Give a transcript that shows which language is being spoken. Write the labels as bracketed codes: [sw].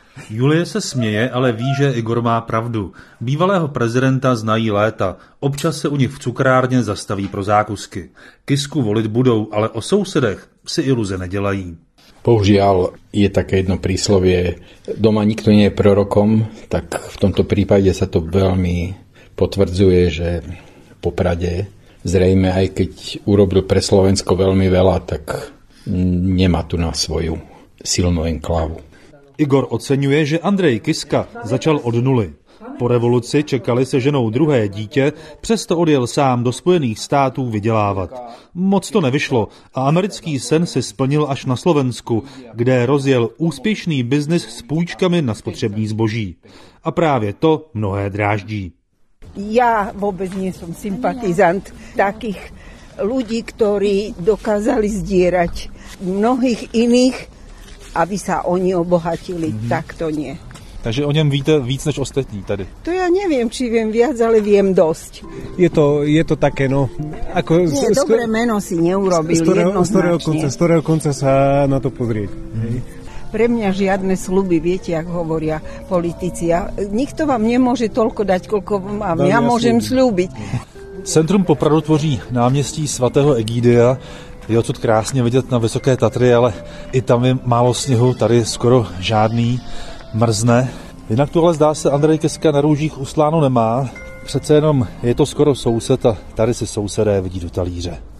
[cs] Julie se směje, ale ví, že Igor má pravdu. Bývalého prezidenta znají léta. Občas se u nich v cukrárně zastaví pro zákusky. Kisku volit budou, ale o sousedech si iluze nedělají. [sk] Bohužiaľ je také jedno príslovie. Doma nikto nie je prorokom, tak v tomto prípade sa to veľmi potvrdzuje, že po Prade zrejme, aj keď urobil pre Slovensko veľmi veľa, tak nemá tu na svoju silnú enklávu. [cs] Igor oceňuje, že Andrej Kiska začal od nuly. Po revoluci čekali se ženou druhé dítě, přesto odjel sám do Spojených států vydělávat. Moc to nevyšlo a americký sen se splnil až na Slovensku, kde rozjel úspěšný biznis s půjčkami na spotřební zboží. A právě to mnohé dráždí. Já vůbec nejsem sympatizant takých lidí, kteří dokázali zdírat mnohých jiných, aby sa oni obohatili, [sk] tak to nie. [cs] Takže o ňom víte víc než ostatní tady? [sk] To ja neviem, či viem viac, ale viem dosť. Je to také, no. Ako nie, dobré meno si neurobil jednoznačne. Z ktorého konca sa na to pozrieť. Pre mňa žiadne sľuby, viete, ako hovoria politici. Nikto vám nemôže toľko dať, koľko vám mám. Ja môžem sľúbiť. [cs] Centrum Popradu tvoří náměstí svatého Egídia. Je odsud krásně vidět na Vysoké Tatry, ale i tam je málo sněhu, tady skoro žádný, mrzne. Jinak tu ale zdá se Andrej Kiska na růžích usláno nemá, přece jenom je to skoro soused a tady se sousedé vidí do talíře.